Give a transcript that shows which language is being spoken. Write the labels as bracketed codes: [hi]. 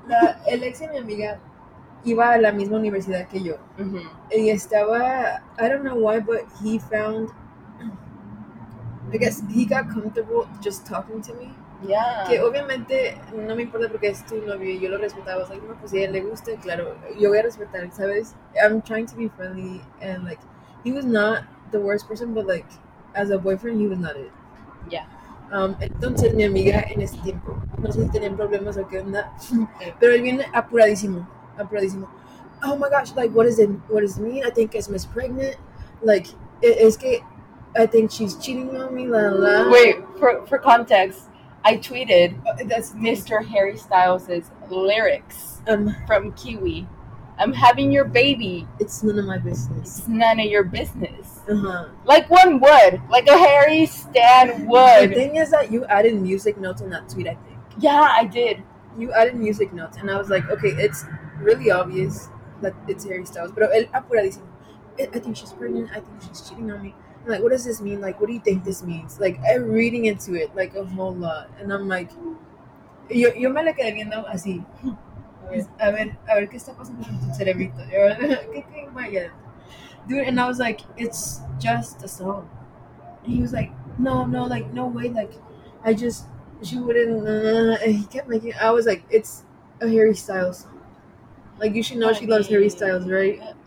[es] Alex y mi amiga iba a la misma universidad que yo. Mm-hmm. Y estaba, [en] I don't know why, but he found, I guess he got comfortable just talking to me. Yeah. [es] Que obviamente no me importa porque es tu novio y yo lo respetaba. Like, no, pues si a él le gusta, claro, yo voy a respetar, ¿sabes? [en] I'm trying to be friendly and like, he was not the worst person, but like, as a boyfriend, he was not it. Yeah. [es] Entonces, mi amiga en ese tiempo, no sé si tenían problemas o qué onda, pero él viene apuradísimo. [en] Oh my gosh, like, what does it mean? I think it's Miss Pregnant. Like, es que, I think she's cheating on me, la la. Wait, for context. I tweeted that's Mr. Harry Styles' lyrics from Kiwi. I'm having your baby. It's none of my business. It's none of your business. Uh-huh. Like one would. Like a Harry Stan would. The thing is that you added music notes in that tweet, I think. Yeah, I did. You added music notes. And I was like, okay, it's really obvious that it's Harry Styles. But [es] el apuradísimo. [en] I think she's pregnant. I think she's cheating on me. Like, what does this mean? Like, what do you think this means? Like, I'm reading into it, like, a whole lot. And I'm like, [es] yo me la quedé viendo así. A ver, ¿qué está pasando con tu cerebrito? ¿Qué tengo allá? [en] Dude, and I was like, it's just a song. And he was like, no, like, no way. Like, I just, she wouldn't, and he kept making, I was like, it's a Harry Styles song. Like, you should know she loves Harry Styles, right?